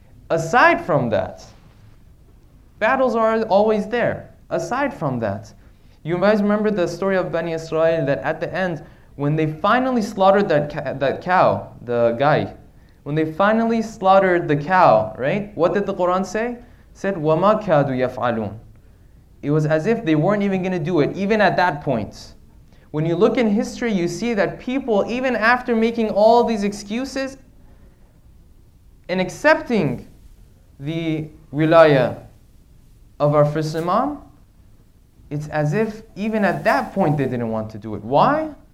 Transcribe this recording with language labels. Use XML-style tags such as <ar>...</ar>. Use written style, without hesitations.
<en>Aside from that, battles are always there. Aside from that, you guys remember the story of Bani Israel, that at the end, when they finally slaughtered that cow, the guy, when they finally slaughtered the cow, right? What did the Quran say? It said,</en> <ar>وَمَا كَادُوا يَفْعَلُونَ.</ar> <en>It was as if they weren't even going to do it, even at that point. When you look in history, you see that people, even after making all these excuses and accepting the wilaya of our first Imam, it's as if even at that point they didn't want to do it. Why?</en>